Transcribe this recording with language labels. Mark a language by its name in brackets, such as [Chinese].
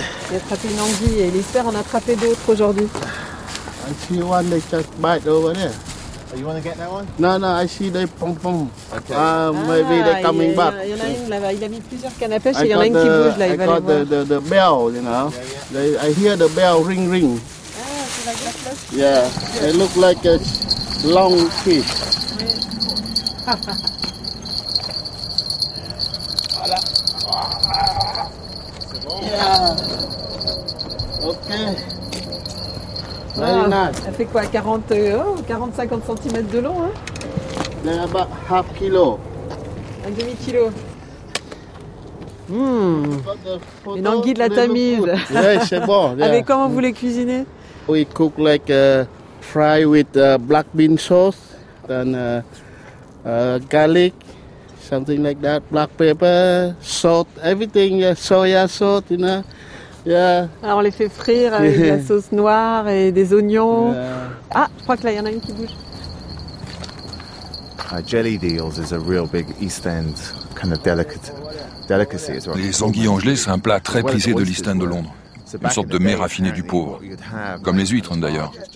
[French] Il a attrapé une anguille et il espère en attraper d'autres aujourd'hui. [English] I see one they just bite over there. Oh, you want to get that one? No, I see they pom pom. Okay. Maybe they're coming back. I got the bell, you know. Yeah, yeah. I hear the bell ring ring. Ah, [French] c'est [English] like that close? Yeah, yes. It look like a long fish. [French] Voilà. [English] Yeah. Okay. [French] Ça fait quoi, 40-50 cm de long, hein? [English] They're about half kilo. [French] Un demi-kilo. Mmh. Une anguille de la Tamise. Oui, c'est bon. Yeah. Allez, comment vous les cuisinez? [English] We cook like fry with black bean sauce, then garlic, something like that, black pepper, salt, everything, soya salt, you know. Yeah. [French] Alors on les fait frire avec de la sauce noire et des oignons. [English] Yeah. [French] Ah, je crois que là il y en a une qui bouge. [English] Jelly eels is a real big East End kind of delicacy. [French] Les anguilles en gelée, c'est un plat très prisé de l'East End de Londres. Une sorte de mets raffinés du pauvre, comme les huîtres d'ailleurs.